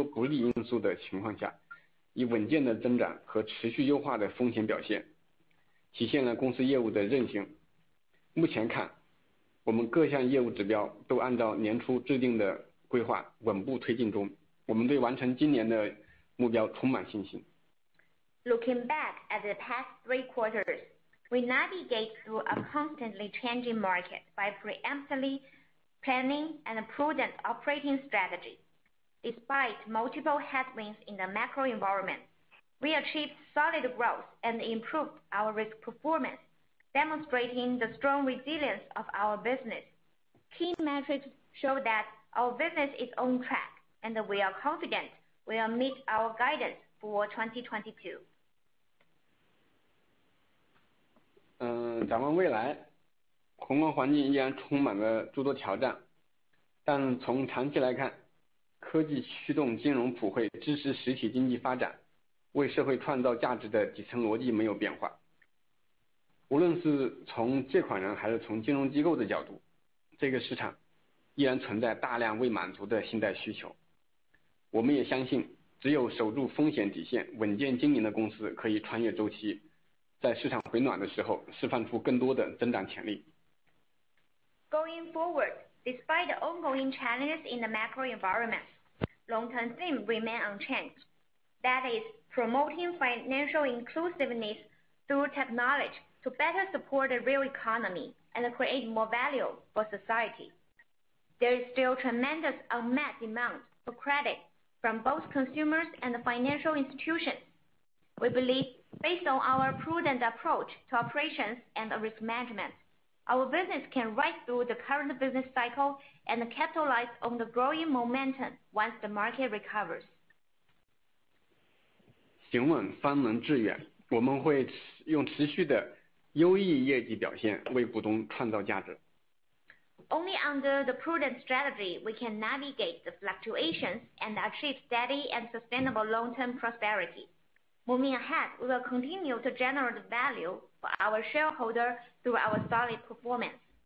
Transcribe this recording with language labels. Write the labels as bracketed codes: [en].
[zh] 回顾今年过去的三个季度，我们提前布局，凭借审慎的经营策略，有效应对了外部环境的变化，在宏观环境存在诸多不利因素的情况下， 以稳健的增长和持续优化的风险表现，体现了公司业务的韧性。目前看，我们各项业务指标都按照年初制定的规划稳步推进中，我们对完成今年的目标充满信心。 [en] Looking back at the past three quarters, we navigate through a constantly changing market by preemptively planning and a prudent operating strategy. Despite multiple headwinds in the macro environment, We achieved solid growth and improved our risk performance, demonstrating the strong resilience of our business. Key metrics show that our business is on track and we are confident we will meet our guidance for 2022. [zh] 展望未来，宏观环境依然充满了诸多挑战，但从长期来看，科技驱动金融普惠，支持实体经济发展，为社会创造价值的底层逻辑没有变化。无论是从借款人还是从金融机构的角度，这个市场依然存在大量未满足的信贷需求。我们也相信，只有守住风险底线，稳健经营的公司可以穿越周期，在市场回暖的时候释放出更多的增长潜力。 [en] Going forward, despite the ongoing challenges in the macro environment, long-term theme remain unchanged. That is, promoting financial inclusiveness through technology to better support the real economy and create more value for society. There is still tremendous unmet demand for credit from both consumers and the financial institutions. We believe, based on our prudent approach to operations and risk management, our business can ride through the current business cycle and capitalize on the growing momentum once the market recovers. [zh] 行稳方能致远，我们会用持续的优异业绩表现为股东创造价值。 [en] Only under the prudent strategy, we can navigate the fluctuations and achieve steady and sustainable long-term prosperity. Moving ahead, we will continue to generate value for our shareholder through our solid performance.